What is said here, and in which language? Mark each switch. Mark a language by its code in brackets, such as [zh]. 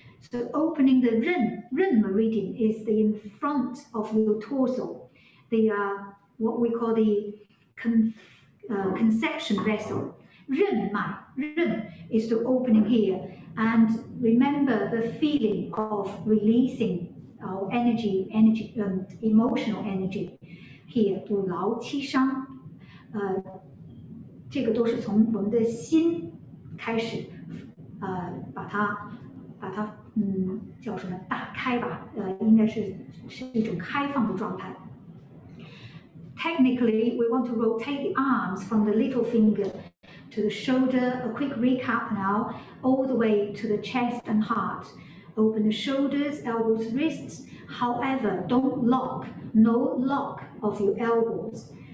[en] So opening the Ren meridian is the in front of your torso, the what we call the conception vessel. Ren is the opening here. And remember the feeling of releasing our energy and emotional energy here. [zh] 骨劳七伤, 这个都是从我们的心开始, 把它 叫什么,打开吧, 应该是一种开放的状态。 [en] Technically, we want to rotate the arms from the little finger to the shoulder. A quick recap now, all the way to the chest and heart. Open the shoulders, elbows, wrists. However, don't lock, no lock of your elbows.